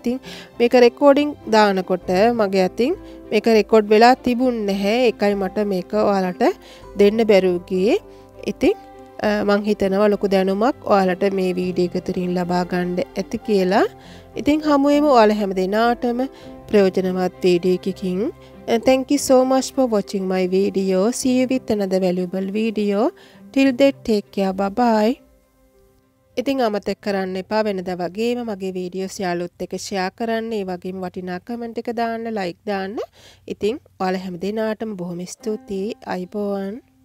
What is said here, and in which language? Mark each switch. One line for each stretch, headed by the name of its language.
Sinhala: ඉතින් මේක රෙකෝඩින් දානකොට මගේ අතින් මේක රෙකෝඩ් වෙලා තිබුණේ නැහැ. ඒකයි මට මේක ඔයාලට දෙන්න බැරුව ගියේ. ඉතින් මං හිතනවා ලොකු දැනුමක් ඔයාලට මේ වීඩියෝ එකතරින් ලබා ගන්න ඇති කියලා. ඉතින් හමු වෙමු ඔයාලා හැම දිනාටම ප්‍රයෝජනවත් වීඩියෝ එකකින්.
English: Thank you so much for watching my video. See you with another valuable video. Till then take care. Bye bye.
Sinhala: ඉතින් අමතක කරන්න එපා වෙනදා වගේම මගේ වීඩියෝස් යාළුවොත් එක්ක ෂෙයා කරන්න. ඒ වගේම වටිනා කමෙන්ට් එක දාන්න, ලයික් දාන්න. ඉතින් ඔයාලා හැම දෙනාටම බොහොම ස්තුතියි. අයිබෝන්.